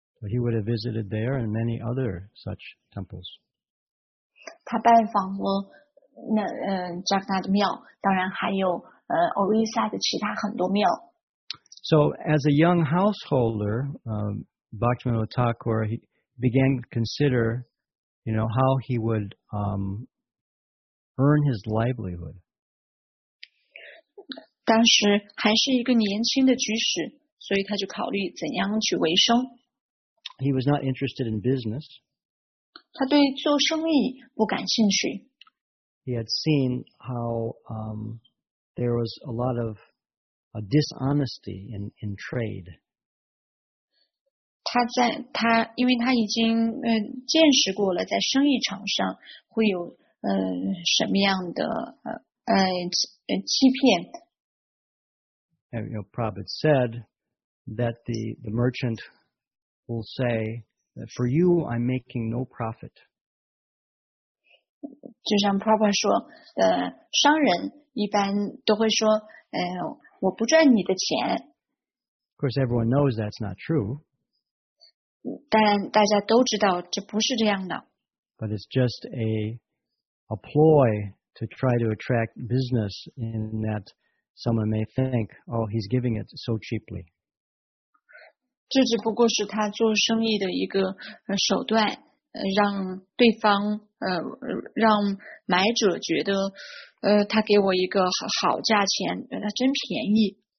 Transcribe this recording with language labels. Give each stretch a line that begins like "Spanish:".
English: But he would have visited there and many other such temples.
Chinese: 他拜访了那Jagannath 庙，当然还有Orissa 的其他很多庙。
English: So as a young householder, Bhaktivinoda Thakur he began to consider, you know, how he would earn his livelihood.
Chinese: 当时还是一个年轻的居士，所以他就考虑怎样去维生。
English: He was not interested in business.
Chinese: 他对做生意不感兴趣。
English: He had seen how there was a lot of dishonesty in trade.
Chinese: 他因为他已经见识过了在生意场上会有什么样的欺骗。
English: And, you know, Prabhupada said that the merchant. Will say that for you, I'm making no profit.
Chinese: 就像 Prabhupada 说，商人一般都会说，我不赚你的钱。
English: Of course, everyone knows that's not true.
Chinese: 但大家都知道这不是这样的。
English: But it's just a ploy to try to attract business in that someone may think, oh, he's giving it so cheaply.
Chinese: 这只不过是他做生意的一个手段，让对方让买者觉得他给我一个好价钱，他真便宜。